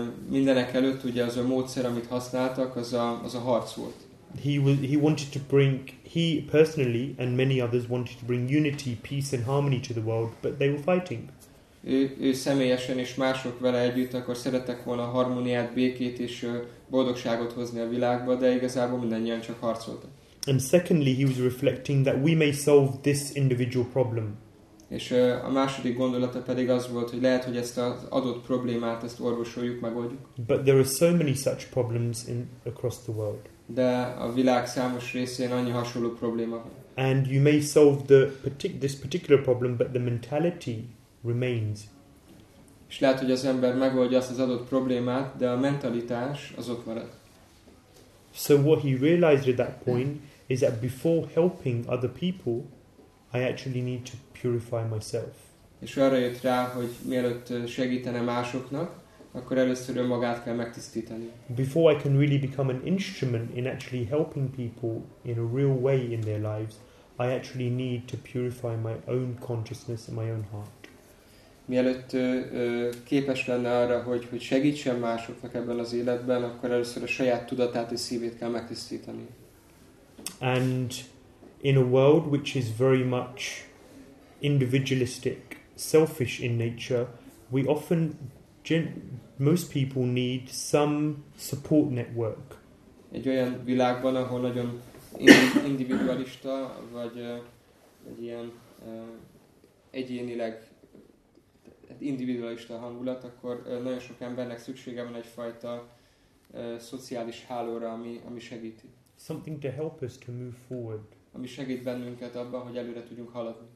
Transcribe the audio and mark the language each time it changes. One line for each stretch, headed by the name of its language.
Hungarian: Mindenek előtt ugye az a módszer, amit használtak, az a harc volt.
English: He wanted to bring, he personally and many others wanted to bring unity, peace and harmony to the world, but they were fighting.
Hungarian: Ő személyesen és mások vele együtt, akkor szerettek volna harmóniát, békét és boldogságot hozni a világba, de igazából mindannyian csak harcoltak.
English: And secondly, he was reflecting that we may solve this individual problem.
Hungarian: És a második gondolata pedig az volt, hogy lehet, hogy ezt az adott problémát, ezt orvosoljuk, megoldjuk.
English: But there are so many such problems in across the world.
Hungarian: De a világ számos részén annyi hasonló probléma van.
English: And you may solve this particular problem, but the mentality remains.
Hungarian: És lehet, hogy az ember megoldja azt az adott problémát, de a mentalitás az ott marad.
English: So what he realized at that point is that before helping other people, I actually need to purify myself.
Hungarian: És arra jött rá, hogy mielőtt segítene másoknak, akkor először önmagát kell megtisztítani.
English: Before I can really become an instrument in actually helping people in a real way in their lives, I actually need to purify my own consciousness and my own heart.
Hungarian: Mielőtt képes lenne arra, hogy segítsen másoknak ebben az életben, akkor először a saját tudatát és szívét kell megtisztítani.
English: And in a world which is very much individualistic, selfish in nature, we often, most people need some support network.
Hungarian: Egy olyan világban, ahol nagyon individualista, vagy ilyen egyénileg individualista hangulat, akkor nagyon sok embernek szüksége van egyfajta szociális hálóra, ami segíti.
English: Something to help us to move forward.
Hungarian: ami segít bennünket abban, hogy előre tudjunk haladni.